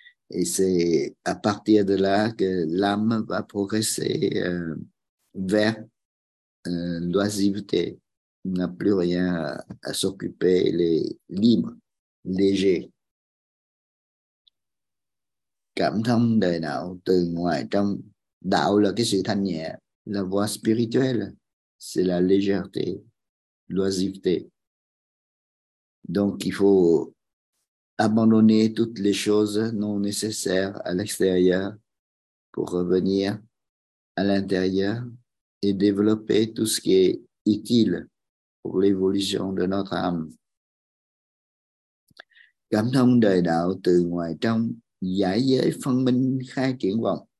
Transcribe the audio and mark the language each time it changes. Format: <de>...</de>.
<fr>Et c'est à partir de là que l'âme va progresser vers l'oisiveté. On n'a plus rien à s'occuper, les libres, légers.</fr> <vi>Cảm thông đời đạo từ ngoài trong. Đạo là cái sự thanh nhẹ.</vi> <fr>La voie spirituelle, c'est la légèreté, l'oisiveté. Donc, il faut abandonner toutes les choses non nécessaires à l'extérieur pour revenir à l'intérieur et développer tout ce qui est utile pour l'évolution de notre âme.</fr> <vi>Cảm thông đời đạo từ ngoài trong. Giải giới phân minh khai triển vọng.</vi>